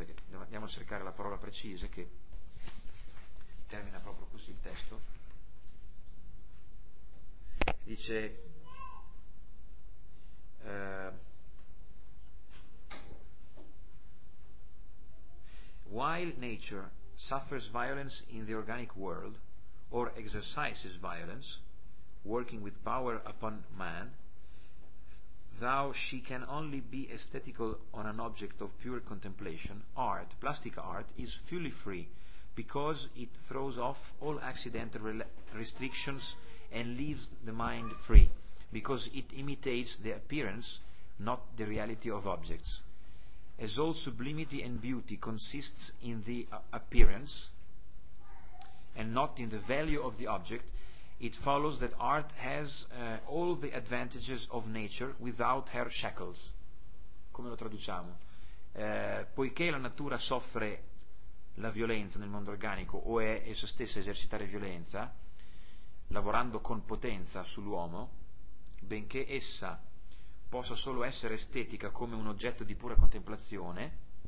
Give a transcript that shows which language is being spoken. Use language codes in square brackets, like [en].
[it] Andiamo a cercare la parola precisa che termina proprio così il testo. [en] Dice while nature suffers violence in the organic world or exercises violence working with power upon man, though she can only be aesthetical on an object of pure contemplation, art, plastic art, is fully free because it throws off all accidental restrictions and leaves the mind free because it imitates the appearance, not the reality of objects. As all sublimity and beauty consists in the appearance and not in the value of the object, it follows that art has all the advantages of nature without her shackles. [it] Come lo traduciamo? Poiché la natura soffre la violenza nel mondo organico o è essa stessa esercitare violenza, lavorando con potenza sull'uomo, benché essa possa solo essere estetica come un oggetto di pura contemplazione,